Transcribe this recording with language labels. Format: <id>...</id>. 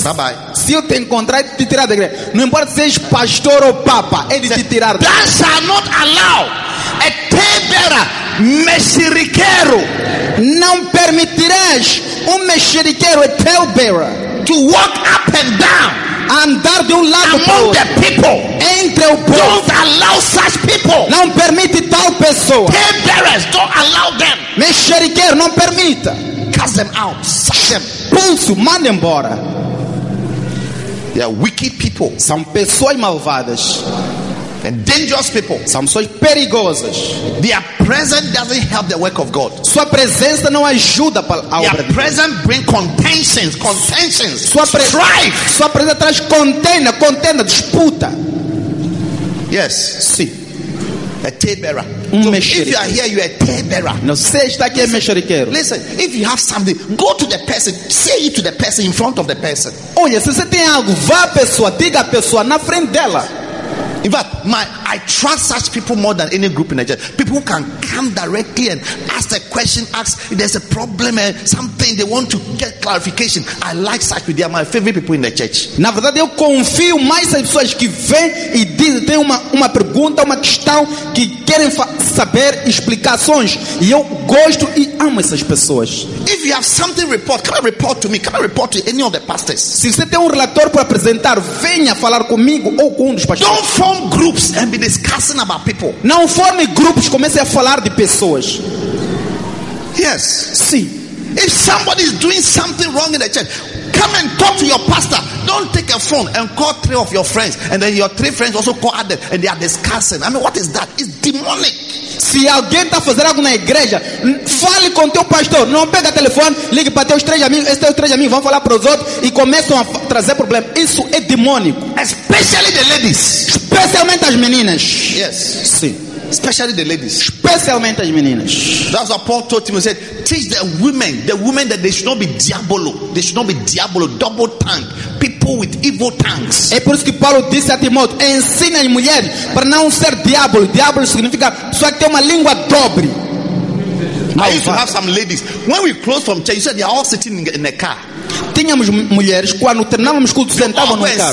<en>Bye-bye.</en> <pt>Se eu te encontrar, te tirar da igreja. Não importa se és pastor ou papa, é de te tirar.</pt> <en>Thou shalt not allow a tale bearer,</en> <pt>mexeriqueiro. Não permitirás mexeriqueiro,</pt> <en>a tale bearer, to walk up and down,</en> <pt>andar de lado</pt> <en>among</en> <pt>para</pt> <en>the people.</en> <pt>Entre o povo.</pt> <en>Don't allow such people.</en> <pt>Não permite tal pessoa.</pt> <en>Tale bearers, don't allow them.</en> <pt>Mexeriqueiro, não permita.</pt> <en>Cast them out. Suck them.</en> <pt>Pulso, manda embora.</pt> <en>They are wicked people.</en> <pt>São pessoas malvadas.</pt> <en>And dangerous people.</en> <pt>São pessoas perigosas.</pt> <en>Their presence doesn't help the work of God.</en> <pt>Sua presença não ajuda a obra de Deus.</pt> <en>Their presence brings contentions, contentions. Strife.</en> <pt>Sua presença traz contenda, contenda, disputa.</pt> <en>Yes.</en> <pt>Sim.</pt> <en>A tale bearer.</en> <pt>Mexeriqueiro.</pt> <en>If you are here, you are a tale bearer.</en> <pt>Não, você está aqui, mexeriqueiro.</pt> <en>Listen, if you have something, go to the person, say it to the person in front of the person.</en> <pt>Olha, se você tem algo, vá à pessoa, diga à pessoa na frente dela.</pt> <en>In fact, I trust such people more than any group in Nigeria. People who can come directly and ask a question, ask if there's a problem and something they want to get clarification. I like such people. They are my favorite people in the church.</en> <pt>Na verdade, eu confio mais nas pessoas que vêm e dizem, tem uma pergunta, uma questão que querem saber explicações. E eu gosto e amo essas pessoas.</pt> <en>If you have something report, come and report to me. Come and report to any of the pastors.</en> <pt>Se você tem relatório para apresentar, venha falar comigo ou com um dos pastores.</pt> <en>Don't form groups and be discussing about people.</en> <pt>Não forme grupos, comece a falar de pessoas.</pt> <en>Yes.</en> <pt>Sim.</pt> <en>If somebody is doing something wrong in the church, come and talk to your pastor. Don't take a phone and call three of your friends, and then your three friends also call others, and they are discussing. I mean, what is that? It's demonic.</en> <pt>Se alguém está fazendo algo na igreja, fale com teu pastor. Não pega o telefone, ligue para teus três amigos. Esses teus três amigos vão falar para os outros e começam a trazer problema. Isso é demônico.</pt> <en>Especially the ladies.</en> <pt>Especialmente as meninas.</pt> <en>Yes.</en> <pt>Sim.</pt> <en>Especially the ladies.</en> <pt>Especialmente as meninas.</pt> <en>That's what Paul told him. He said, teach the women that they should not be diabolo. They should not be diabolo, double tongue. People with evil tongues.</en> <pt>É por isso que Paulo disse a Timóteo, ensina as mulheres para não ser diabolo. Diabolo significa só ter uma língua dobre.</pt> <en>I used to have some ladies. When we closed from church, you said they are all sitting in the car.</en> <pt>Tínhamos mulheres quando terminávamos culto, sentavam num carro.</pt>